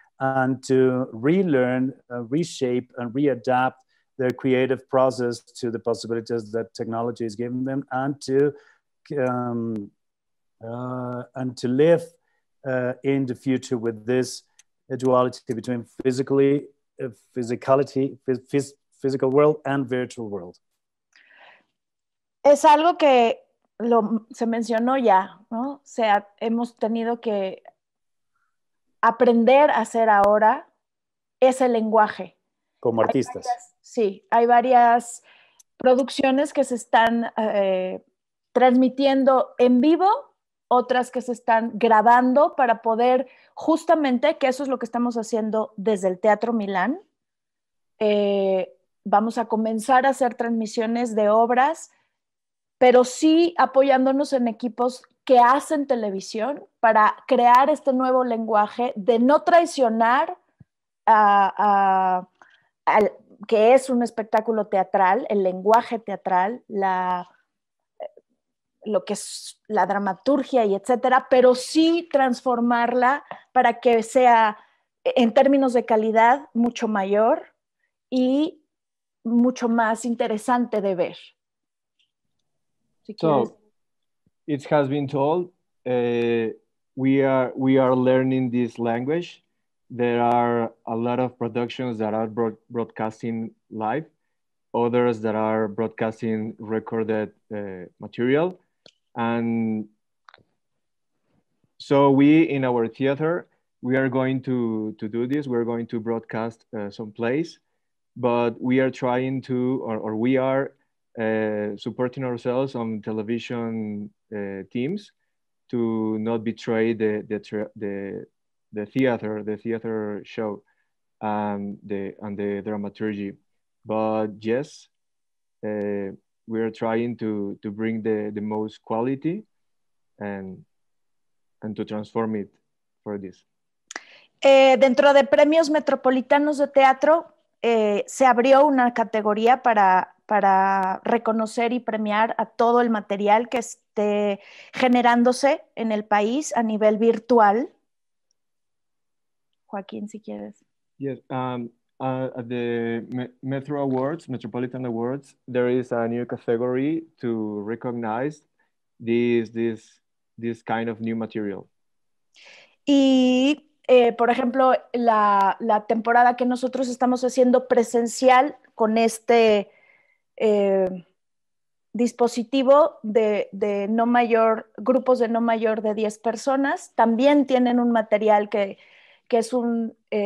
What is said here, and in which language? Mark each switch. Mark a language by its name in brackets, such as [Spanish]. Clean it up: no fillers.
[English] And to relearn, reshape, and readapt their creative process to the possibilities that technology is giving them, and to live in the future with this duality between physical world and virtual world. [Spanish] Es algo que se mencionó ya, ¿no? O sea, hemos tenido que aprender a hacer ahora ese lenguaje. Como artistas. Hay varias producciones que se están transmitiendo en vivo, otras que se están grabando para poder, justamente, que eso es lo que estamos haciendo desde el Teatro Milán. Vamos a comenzar a hacer transmisiones de obras, pero sí apoyándonos en equipos que hacen televisión para crear este nuevo lenguaje de no traicionar al que es un espectáculo teatral, el lenguaje teatral, lo que es la dramaturgia y etcétera, pero sí transformarla para que sea, en términos de calidad, mucho mayor y mucho más interesante de ver. [English] So it has been told we are learning this language. There are a lot of productions that are broadcasting live, others that are broadcasting recorded material. And so we, in our theater, we are going to do this. We're going to broadcast some plays, but we are trying to, or we are supporting ourselves on television teams to not betray the theater show and the dramaturgy. But yes, we are trying to bring the most quality and to transform it for this. [Spanish] Dentro de Premios Metropolitanos de Teatro se abrió una categoría para reconocer y premiar a todo el material que esté generándose en el país a nivel virtual. Joaquín, si quieres. [English] Yes, at the Metro Awards, Metropolitan Awards, there is a new category to recognize this kind of new material. [Spanish] Y por ejemplo, la temporada que nosotros estamos haciendo presencial con este dispositivo de no mayor, grupos de no mayor de 10 personas, también tienen un material que es un